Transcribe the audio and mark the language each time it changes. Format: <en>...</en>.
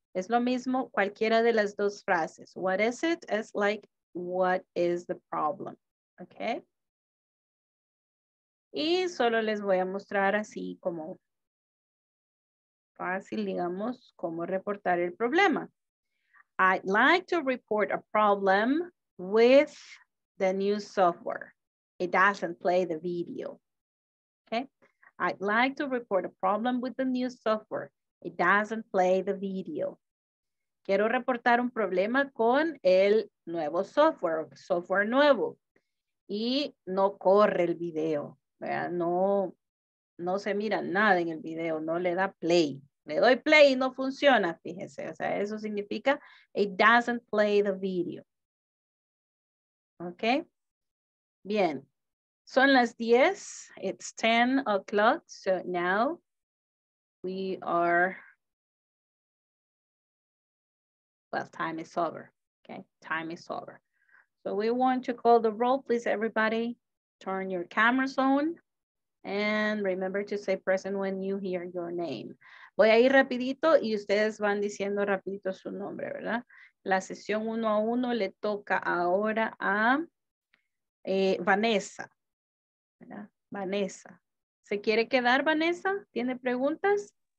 <es>Es lo mismo cualquiera de las dos frases.</es> <en>What is it? It's like, what is the problem? Okay.</en> <es>Y solo les voy a mostrar así como fácil, digamos, cómo reportar el problema.</es> <en>I'd like to report a problem with the new software. It doesn't play the video. Okay. I'd like to report a problem with the new software. It doesn't play the video.</en> <es>Quiero reportar un problema con el nuevo software nuevo. Y no corre el video, ¿verdad? No se mira nada en el video, no le da play. Le doy play y no funciona, fíjese. O sea, eso significa,</es> <en>it doesn't play the video. ¿Ok?</en> <es>Bien. Son las 10,</es> <en>it's 10 o'clock, so now we are... Well, time is over, okay? Time is over. So we want to call the roll, please, everybody. Turn your cameras on and remember to say present when you hear your name.</en> <es>Voy a ir rapidito y ustedes van diciendo rapidito su nombre, ¿verdad? La sesión 1 a 1 le toca ahora a Vanessa. ¿Verdad? Vanessa. ¿Se quiere quedar, Vanessa? ¿Tiene preguntas?</es>